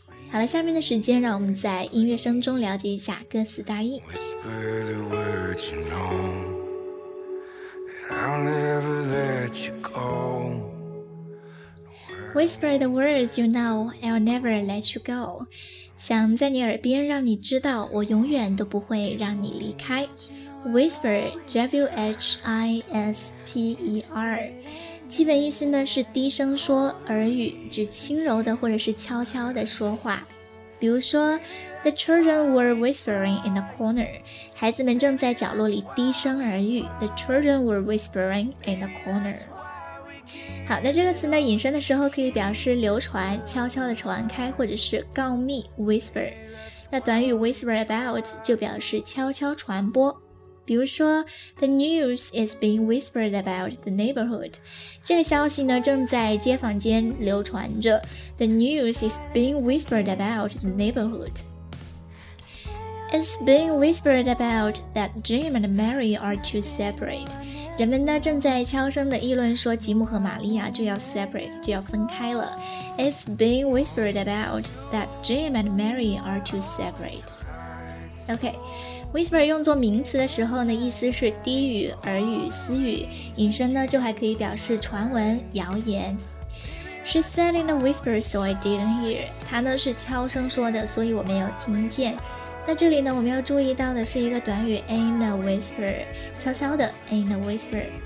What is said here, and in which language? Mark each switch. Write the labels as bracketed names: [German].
[Chinese] 好了，下面的时间让我们在音乐声中了解一下歌词大意。 [English] Whisper the words you know I'll never let you go Whisper the words you know, I'll never let you go. [Chinese] 想在你耳边让你知道，我永远都不会让你离开。 Whisper, W-H-I-S-P-E-R， 基本意思呢是低声说，耳语指轻柔的或者是悄悄的说话。比如说 [English] ，The children were whispering in the corner， [Chinese] 孩子们正在角落里低声耳语。 [English] The children were whispering in the corner。 [Chinese] 好，那这个词呢，引申的时候可以表示流传、悄悄的传开，或者是告密 ，whisper。那短语 whisper about 就表示悄悄传播。比如说 [English] ，The news is being whispered about the neighborhood。 [Chinese] 这个消息呢，正在街坊间流传着。 [English] The news is being whispered about the neighborhood。 It's being whispered about that Jim and Mary are to separate。 [Chinese] 人们呢正在悄声地议论说，吉姆和玛丽亚就要 separate， 就要分开了。 [English] It's being whispered about that Jim and Mary are to separate。 OK。 [Chinese] Whisper 用作名词的时候呢，意思是低语、耳语、私语，引申呢就还可以表示传闻、谣言。 [English] She said in a whisper so I didn't hear， [Chinese] 她呢是悄声说的，所以我没有听见。那这里呢我们要注意到的是一个短语 [English] in a whisper， [Chinese] 悄悄的 in a whisper。